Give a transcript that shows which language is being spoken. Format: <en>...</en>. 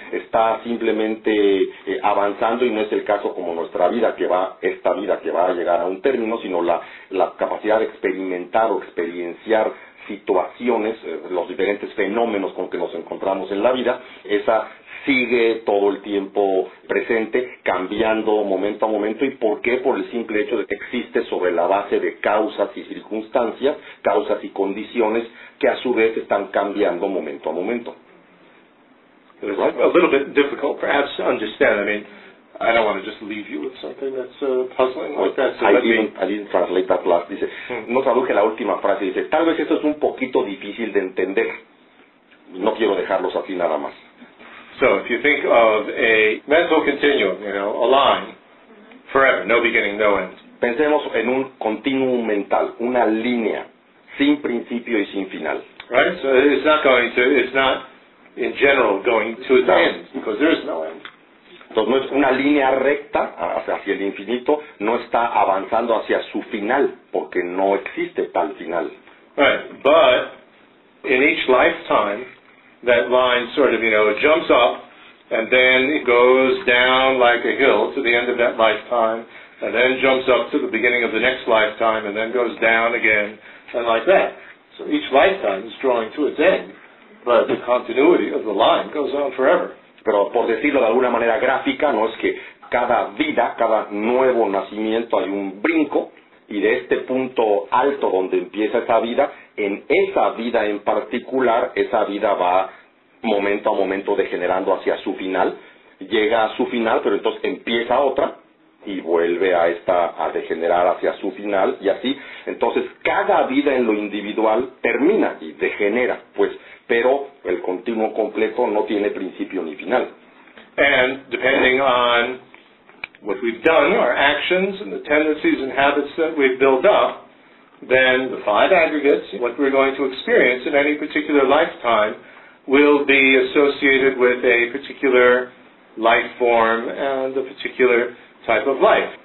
<es>Está simplemente avanzando y no es el caso como nuestra vida, que va, esta vida que va a llegar a un término, sino la capacidad de experimentar o experienciar situaciones, los diferentes fenómenos con que nos encontramos en la vida, esa sigue todo el tiempo presente, cambiando momento a momento. ¿Y por qué? Por el simple hecho de que existe sobre la base de causas y circunstancias, causas y condiciones que a su vez están cambiando momento a momento.</es> <en>It's a little bit difficult perhaps to understand. I mean, I don't want to just leave you with something that's puzzling like that. So I didn't translate that last.</en> <es>Dice, no traduje la última frase. Dice, tal vez esto es un poquito difícil de entender. No quiero dejarlos así nada más.</es> <en>So if you think of a mental continuum, you know, a line, forever, no beginning, no end.</en> <es>Pensemos en un continuum mental, una línea, sin principio y sin final.</es> <en>Right? So it's not going to, it's not in general going to its end, because there is no end.</en> <es>Entonces, no es una línea recta hacia el infinito, no está avanzando hacia su final, porque no existe tal final.</es> <en>Right, but in each lifetime, that line sort of, you know, jumps up, and then it goes down like a hill to the end of that lifetime, and then jumps up to the beginning of the next lifetime, and then goes down again, and like that. So each lifetime is drawing to its end, but the continuity of the line goes on forever.</en> <es>Pero por decirlo de alguna manera gráfica, no es que cada vida, cada nuevo nacimiento hay un brinco y de este punto alto donde empieza esa vida, en esa vida en particular, esa vida va momento a momento degenerando hacia su final, llega a su final, pero entonces empieza otra y vuelve a esta a degenerar hacia su final y así. Entonces cada vida en lo individual termina y degenera, pues, pero el continuo completo no tiene principio ni final.</es> <en>And depending on what we've done, our actions and the tendencies and habits that we've built up, then the five aggregates, what we're going to experience in any particular lifetime, will be associated with a particular life form and a particular type of life.</en>